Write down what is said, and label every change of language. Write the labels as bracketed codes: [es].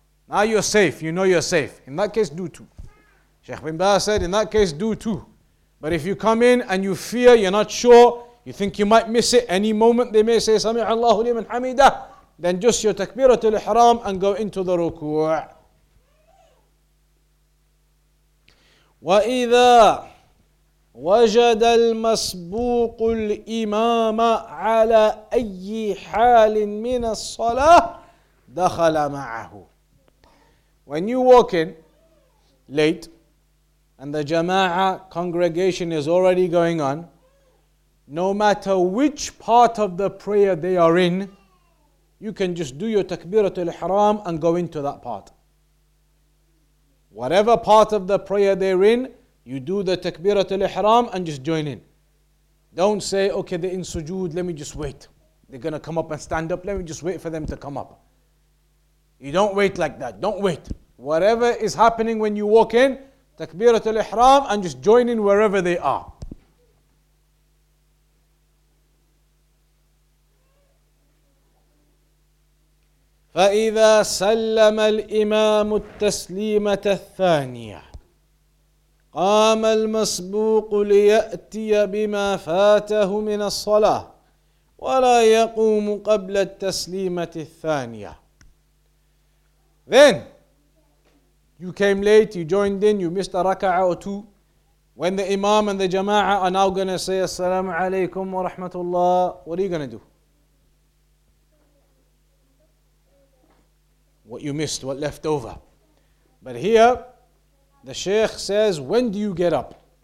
[en] Now you're safe, you know you're safe. In that case, do two. Sheikh bin Ba said, in that case, do two. But if you come in and you fear, you're not sure, you think you might miss it, any moment they may say, Sami'a Allahu liman hamida, then just your takbiratul ihram and go into the ruku'. [ar] وَإِذَا وَجَدَ الْمَسْبُوقُ الْإِمَامَ عَلَىٰ أَيِّ حَالٍ مِنَ الصَّلَاةِ دَخَلَ مَعَهُ. [en] When you walk in late, and the jama'a congregation is already going on, no matter which part of the prayer they are in, you can just do your takbiratul ihram and go into that part. Whatever part of the prayer they're in, you do the takbiratul ihram and just join in. Don't say, okay, they're in sujood, let me just wait. They're going to come up and stand up, let me just wait for them to come up. You don't wait like that, don't wait. Whatever is happening when you walk in, takbiratul ihram, and just join in wherever they are. [ar] فإذا سلم الإمام التسليمة الثانية قام المسبوق ليأتي بما فاته من الصلاة ولا يقوم قبل التسليمة الثانية. [en] Then you came late, you joined in, you missed a raka'ah or two. When the Imam and the Jama'ah are now going to say Assalamu alaykum wa rahmatullah, what are you going to do? What you missed, what left over. But here, the Shaykh says, when do you get up?